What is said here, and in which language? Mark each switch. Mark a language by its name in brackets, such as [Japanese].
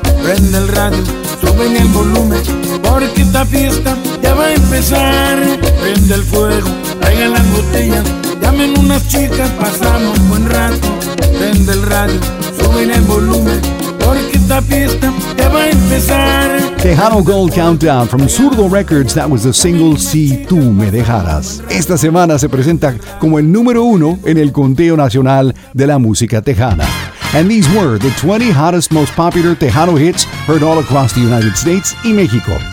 [Spanish] Prende el radio, sube el volumen, porque esta fiesta ya va a empezar. Prende el fuego, traigan las botellas, llamen unas chicas, pasamos buen rato. Prende el radio, sube el volumen, porque esta fiesta ya va a empezar. [English] Tejano Gold Countdown from Zurdo Records. That was the single Si Tú Me Dejaras. [Spanish] Esta semana se presenta como el número uno en el conteo nacional de la música tejana. [English] And these were the 20 hottest, most popular Tejano hits heard all across the United States [Spanish] y México.